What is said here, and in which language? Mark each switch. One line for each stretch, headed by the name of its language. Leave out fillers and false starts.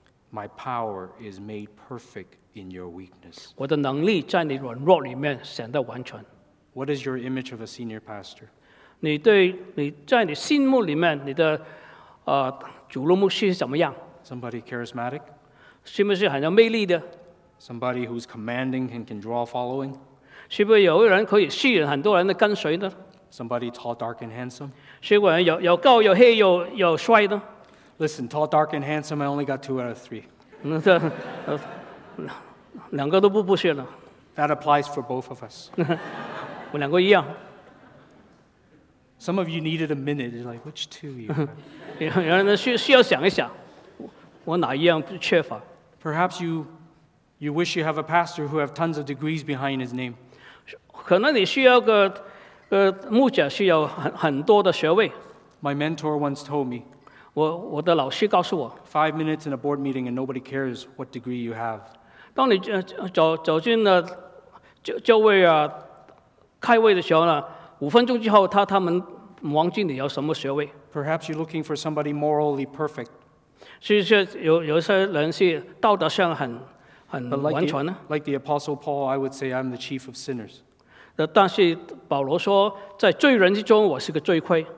English: My power is made perfect in your weakness.
Chinese: 我的能力在你软弱里面显得完全。
English: What is your image of a senior pastor?
Chinese: 你在你心目里面，你的主路牧师是怎么样
English: ？Somebody charismatic，
Chinese: 是不是很有魅力的
English: ？Somebody who's commanding and can draw following，
Chinese: 是不是有人可以吸引很多人的跟随呢
English: ？Somebody tall, dark, and handsome，
Chinese: 是不是有高有黑有帅呢
English: ？Listen, tall, dark, and handsome， I only got 2 out of 3。
Chinese: 那这两个都不是了。
English: That applies for both of us，
Chinese: 我两个一样。
English: Some of you needed a minute. You're like, which two of you?
Chinese: 有人呢需要想一想，我哪一样缺乏？
English: Perhaps you wish you have a pastor who have tons of degrees behind his name.
Chinese: 可能你需要个牧者需要很多的学位。
English: My mentor once told me.
Chinese: 我的老师告诉我。
English: 5 minutes in a board meeting and nobody cares what degree you have.
Chinese: 当你走进了就位啊开会的时候呢。 5分钟之后，他们忘记你有什么学位。
English: Perhaps you're looking for somebody morally perfect.
Chinese: 是有些人是道德上很完全呢。
English: Like the Apostle Paul, I would say I'm the chief of sinners.
Chinese: 但是保罗说，在罪人之中，我是个罪魁。